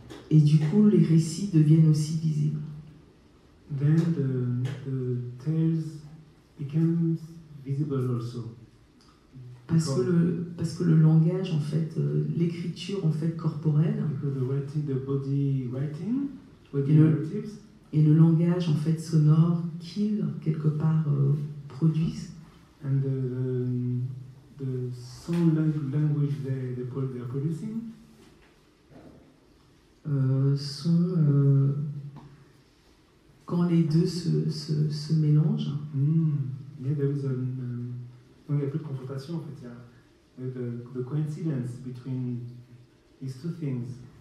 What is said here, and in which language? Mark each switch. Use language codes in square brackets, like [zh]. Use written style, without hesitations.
[fr] Et du coup, les récits deviennent aussi visibles. [en] Then the tales become visible also. [fr] Parce que le langage, en fait, l'écriture, en fait, corporelle. [en] Because the writing, the body writing, body narratives. [fr] Et le langage, en fait, sonore qu'ils quelque part produisent. [en] And the sound language they're producing. [fr] Quand les deux se mélangent. Il n'y a plus de confrontation en fait. Il y a [en] the coincidence between these two things.